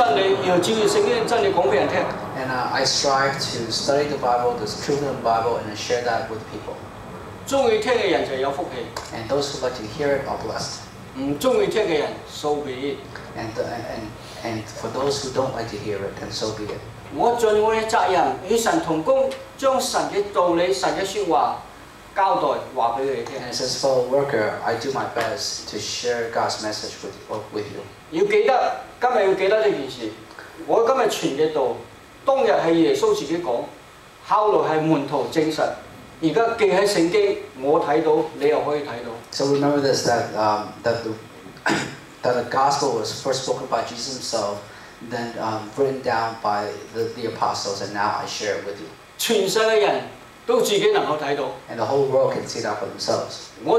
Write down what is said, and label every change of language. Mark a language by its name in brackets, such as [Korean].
[Chinese] 我立志要發現聖經的真理，要照著聖經的真理講俾人聽。 [English] And I strive to study the Bible, the truth of the Bible, and share that with people. [Chinese] 終於聽的人就有福氣。 [English] And those who like to hear it are blessed. [Chinese] 不終於聽的人, [English] so be it. And for those who don't like to hear it, then so be it. [Chinese] 我盡我的責任與神同工, 將神的道理、神的說話交代告訴你們。 [English] And it says, fellow worker, I do my best to share God's message with you. [Chinese] 要記得,今天要記得這件事, 我今天傳的道,當日是耶穌自己講, 後來是門徒證實, 現在記在聖經,我看到,你又可以看到。 [English] So remember this, that the gospel was first spoken by Jesus himself, then written down by the apostles, and now I share it with you. [Chinese] 全世界人都自己能夠看到。 And the whole world can see that for themselves.